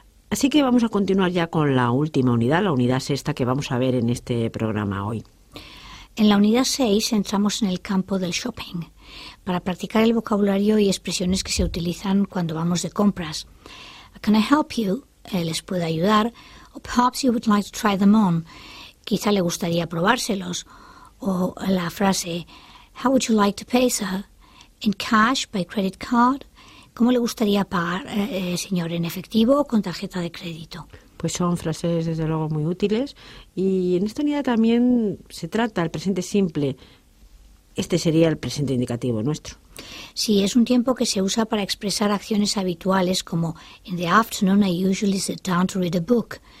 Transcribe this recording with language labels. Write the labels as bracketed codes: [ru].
[es] Así que vamos a continuar ya con la última unidad, la unidad sexta que vamos a ver en este programa hoy. En la unidad 6 entramos en el campo del shopping, para practicar el vocabulario y expresiones que se utilizan cuando vamos de compras. [en] Can I help you? [es] Les puedo ayudar. [en] O perhaps you would like to try them on. [es] Quizá le gustaría probárselos. O la frase, [en] how would you like to pay, sir? In cash, by credit card. [es] ¿Cómo le gustaría pagar, señor, en efectivo o con tarjeta de crédito? Pues son frases, desde luego, muy útiles. Y en esta unidad también se trata el presente simple. Este sería el presente indicativo nuestro. Sí, es un tiempo que se usa para expresar acciones habituales como [en] in the afternoon I usually sit down to read a book.